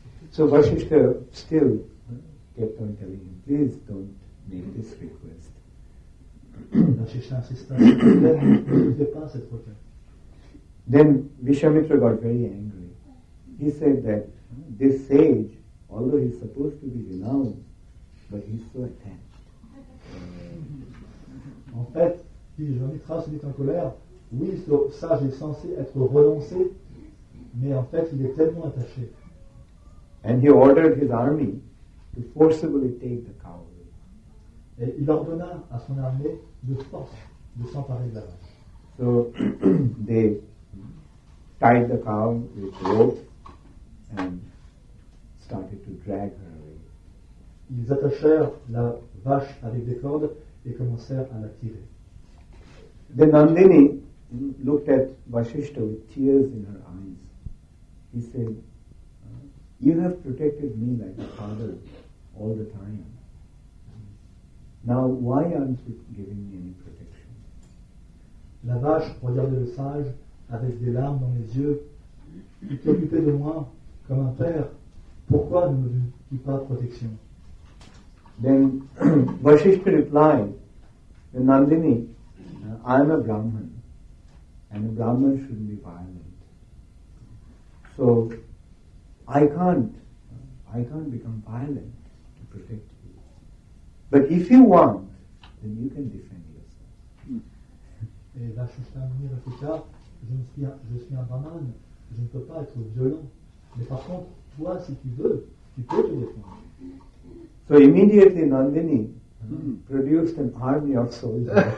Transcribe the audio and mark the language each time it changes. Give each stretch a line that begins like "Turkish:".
English: So Vasishtha still kept on telling him, please don't make this request.
French: Vasishtha insista, s'il te plaît, ne fais pas cette requête.
English: Then Vishwamitra got very angry. He said that this sage, although he's supposed to be renowned, but he's so attached.
French: En fait, Vishwamitra se dit en colère, oui, ce sage est censé être renoncé, mais en fait, il est tellement attaché.
English: And he ordered his army to forcibly take the cow away.
French: Et il ordonna à son armée de force de s'emparer de la vache.
English: So they tied the cow with rope and started to drag her away.
French: Ils attachèrent la vache avec des cordes et commencèrent à la tirer.
English: Then Nandini looked at Vasishtha with tears in her eyes. He said, you have protected me like a father all the time. Now why aren't you giving me any protection?
French: La vache regardait le sage avec des larmes dans les yeux. Tu t'occupais de moi comme un père. Pourquoi ne me donnes-tu pas de protection?
English: Then Vasishtha replied, Nandini, I am a Brahman, and a Brahman shouldn't be violent. So I can't become violent to protect you. But if you want, then you can defend yourself.
French: Et Vasishtha Muni répliqua, je suis un Brahman, je ne peux pas être violent. Mais par contre, toi, si tu veux, tu peux te défendre.
English: So immediately Nandini produced an army of soldiers.